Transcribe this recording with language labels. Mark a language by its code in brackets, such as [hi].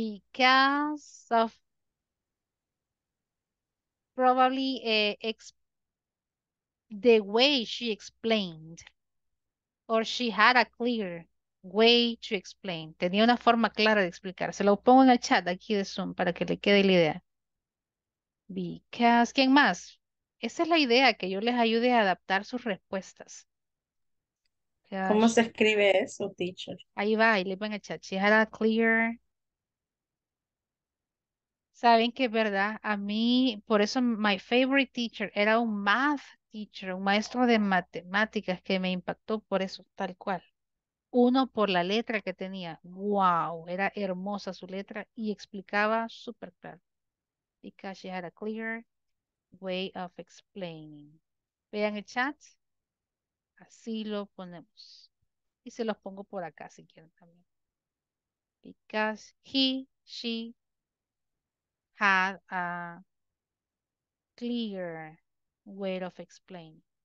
[en] Because of probably the way she explained, or she had a clear way to explain. [es] Tenía una forma clara de explicar. Se lo pongo en el chat aquí de Zoom para que le quede la idea. Because, ¿quién más? Esa es la idea, que yo les ayude a adaptar sus respuestas. ¿Cómo se escribe eso, teacher? Ahí va, ahí le van a echar. [en] She had a clear. [es] ¿Saben qué es verdad? A mí, por eso, [en] my favorite teacher [es] era un math teacher, un maestro de matemáticas que me impactó por eso, tal cual. Uno, por la letra que tenía. ¡Wow! Era hermosa su letra y explicaba súper claro. [en] Because she had a clear way of explaining. [es] Vean el chat. Así lo ponemos. Y se los pongo por acá si quieren también. [en] Because he, she had a clear way of explaining.